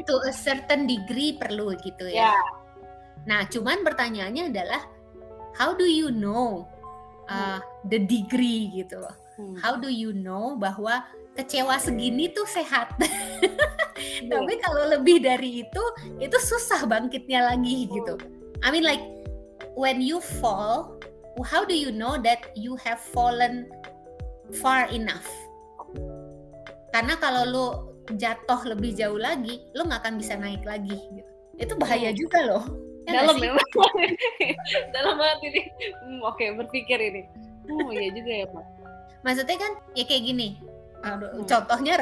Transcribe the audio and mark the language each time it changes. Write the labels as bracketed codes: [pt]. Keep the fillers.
[id] itu [en] a certain degree [id] perlu gitu ya yeah. nah cuman pertanyaannya adalah [en] how do you know [id] uh, hmm. [en] the degree [id] gitu loh hmm. [en] how do you know [id] bahwa kecewa segini tuh sehat. Yeah. Tapi kalau lebih dari itu, itu susah bangkitnya lagi oh. gitu. [en] I mean like when you fall, how do you know that you have fallen far enough? [id] Karena kalau lo jatuh lebih jauh lagi, lo nggak akan bisa naik lagi gitu. Itu bahaya juga loh. Oh. Ya Dalam memang. Dalam banget ini. Hmm, Oke, okay, berpikir ini. Oh, iya juga ya, Pak. Maksudnya kan ya kayak gini, Aduh, contohnya hmm.